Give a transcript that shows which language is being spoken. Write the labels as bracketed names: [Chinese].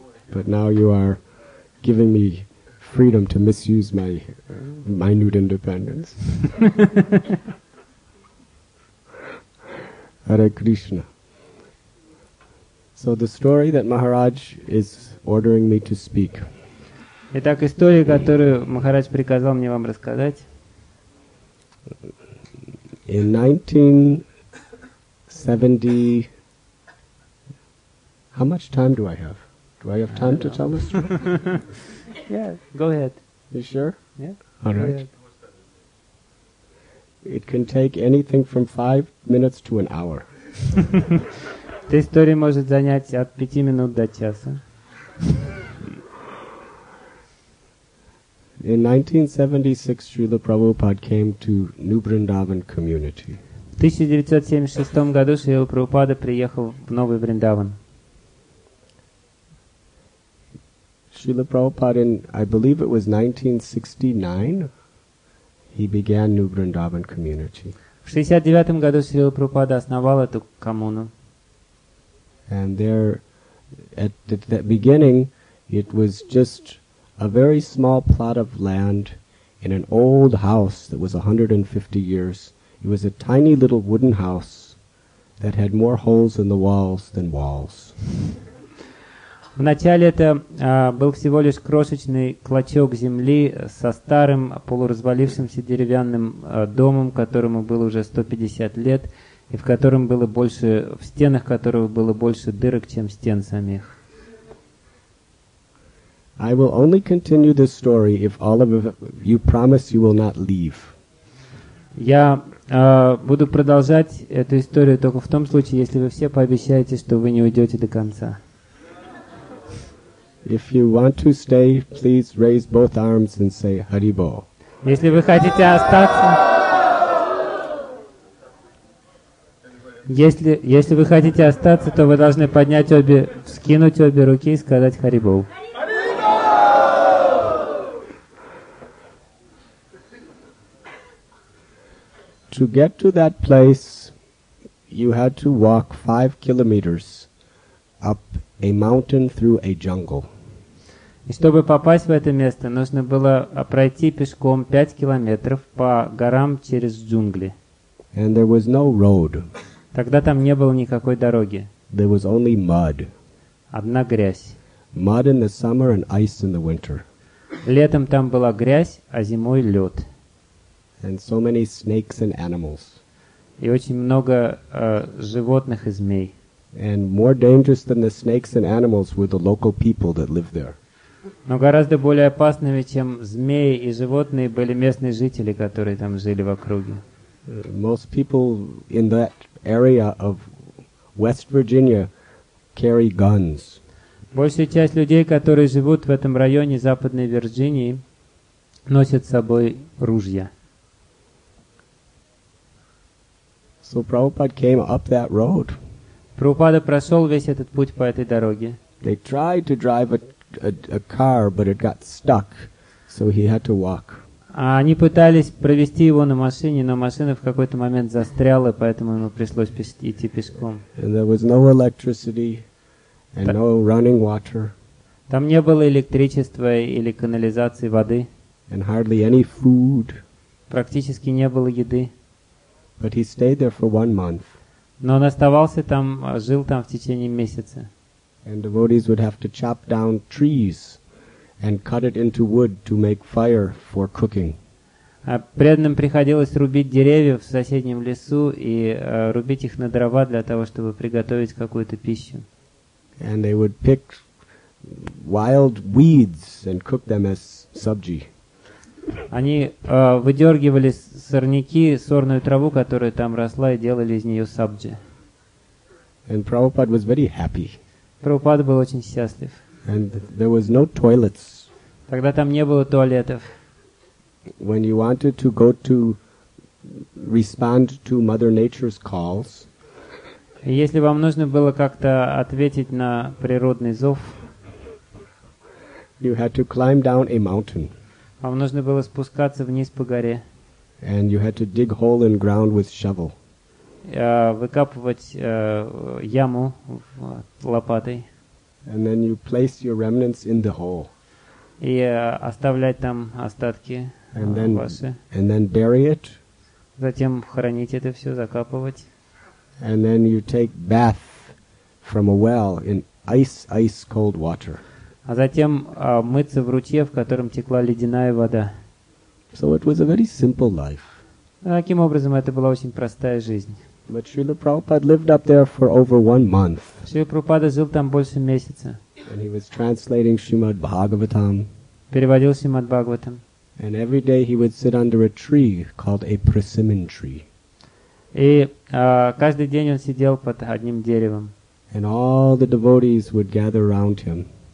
[English] But now you are giving me freedom to misuse my minute independence. Hare Krishna. So the story that Maharaj is ordering me to speak. [Russian] Итак, история, которую Махарадж приказал мне вам рассказать. [English] In 1970, how much time do I have? Do I have time to tell this story? Yeah, go ahead. You sure? Yeah. All right. It can take anything from 5 minutes to an hour. [Russian] Эта история может занять от 5 минут до часа. [English] In 1976, Srila Prabhupada came to New Vrindavan community. [Russian] В 1976 году Srila Prabhupada приехал в Новый Вриндаван. [English] Srila Prabhupada, in, I believe it was 1969, he began New Vrindavan community. [Russian] В 69 году Srila Prabhupada основал эту коммуну. [English] And there, at the beginning, it was just a very small plot of land in an old house that was 150 years. It was a tiny little wooden house that had more holes in the walls than walls. [Russian] Вначале это был всего лишь крошечный клочок земли со старым полуразвалившимся деревянным домом, которому было уже 150 лет, и в котором было больше, в стенах которого было больше дырок, чем стен самих. [English] I will only continue this story if all of you promise you will not leave. [Russian] Я буду продолжать эту историю только в том случае, если вы все пообещаете, что вы не уйдете до конца. [English] If you want to stay, please raise both arms and say Hari Bol. [Russian] Если вы хотите остаться, если вы хотите остаться, то вы должны поднять обе, вскинуть обе руки и сказать Hari Bol. [English] To get to that place, you had to walk 5 kilometers up a mountain through a jungle. [Russian] И чтобы попасть в это место, нужно было пройти пешком 5 километров по горам через джунгли. [English] And there was no road. [Russian] Тогда там не было никакой дороги. [English] There was only mud. [Russian] Одна грязь. [English] Mud in the summer and ice in the winter. [Russian] Летом там была грязь, а зимой лед. [English] And so many snakes and animals. [Russian] И очень много животных и змей. [English] And more dangerous than the snakes and animals were the local people that lived there. [Russian] Но гораздо более опасными, чем змеи и животные, были местные жители, которые там жили в округе. [English] Most people in that area of West Virginia carry guns. [Russian] Большая часть людей, которые живут в этом районе Западной Вирджинии, носят с собой ружья. [English] So Prabhupada came up that road. [Russian] Прабхупада прошел весь этот путь по этой дороге. [English] They tried to drive a car, but it got stuck, so he had to walk. [Russian] Они пытались провести его на машине, но машина в какой-то момент застряла, поэтому ему пришлось идти пешком. [English] And there was no electricity and no running water. [Russian] Там не было электричества или канализации воды. [English] And hardly any food. [Russian] Практически не было еды. [English] But he stayed there for 1 month. [Russian] Но он оставался там, жил там в течение месяца. [English] And devotees would have to chop down trees and cut it into wood to make fire for cooking. [Russian] А преданным приходилось рубить деревья в соседнем лесу и рубить их на дрова для того, чтобы приготовить какую-то пищу. [English] And they would pick wild weeds and cook them as sabji. [Russian] Они выдергивали сорняки, сорную траву, которая там росла, и делали из нее сабджи. [English] And Prabhupada was very happy. [Russian] Прабхупада был очень счастлив. [English] And there was no toilets. [Russian] Тогда там не было туалетов. [English] When you wanted to go to respond to Mother Nature's calls, [Russian] если вам нужно было как-то ответить на природный зов, [English] you had to climb down a mountain. [Russian] Вам нужно было спускаться вниз по горе. [English] And you had to dig hole in ground with shovel. [Russian] Выкапывать яму лопатой. [English] And then you place your remnants in the hole. [Russian] И оставлять там остатки ваши. [English] And then bury it. [Russian] Затем хоронить это все, закапывать. [English] And then you take bath from a well in ice cold water. [Russian] А затем мыться в ручье, в котором текла ледяная вода. [English] So it was a very simple life. [Russian] Таким образом, это была очень простая жизнь. [English] But Srila Prabhupada lived up there for over 1 month. [Russian] Srila Prabhupada жил там больше месяца. [English] And he was translating Srimad Bhagavatam. [Russian] Переводил Srimad Bhagavatam. [English] And every day he would sit under a tree called a persimmon tree. [Russian] И каждый день он сидел под одним деревом. [English] And all the devotees would gather around him.